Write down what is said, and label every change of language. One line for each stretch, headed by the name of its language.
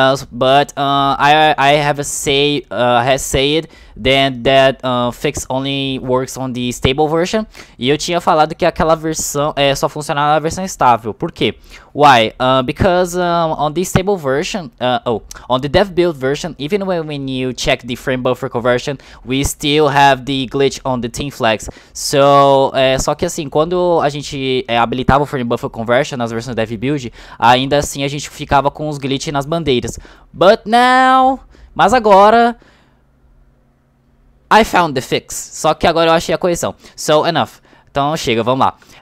English: But I have said that fix only works on the stable version.
Portuguese: E eu tinha falado que aquela versão só funcionava na versão estável. Por quê?
English: Why? Because on the stable version, on the dev build version, even when you check the frame buffer conversion, we still have the glitch on the team flags.
Portuguese: So, só que assim, quando a gente habilitava o frame buffer conversion nas versões dev build, ainda assim a gente ficava com os glitch nas bandeiras.
English: But now,
Portuguese: mas agora,
English: I found the fix.
Portuguese: Só que agora eu achei a correção.
English: So, enough.
Portuguese: Então chega, vamos lá.